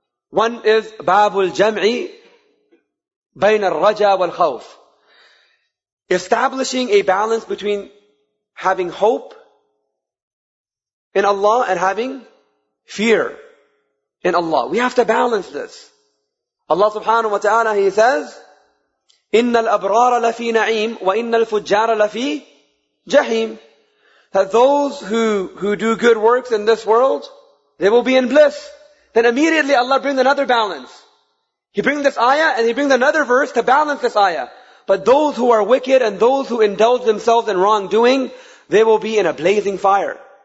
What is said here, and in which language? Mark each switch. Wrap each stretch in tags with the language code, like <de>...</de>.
<en>One is Bab al-Jam'i Bayn al-Raja wal-Khawf. Establishing a balance between having hope in Allah and having fear in Allah. We have to balance this.</en> <ar>Allah subhanahu wa ta'ala,</ar> <en>He says,</en> <ar>إِنَّ الْأَبْرَارَ لَفِي نَعِيمٍ وَإِنَّ الْفُجَّارَ لَفِي جَحِيمٍ.</ar> <en>That those who do good works in this world, they will be in bliss. Then immediately Allah brings another balance. He brings this ayah and He brings another verse to balance this ayah. But those who are wicked and those who indulge themselves in wrongdoing, they will be in a blazing fire.</en>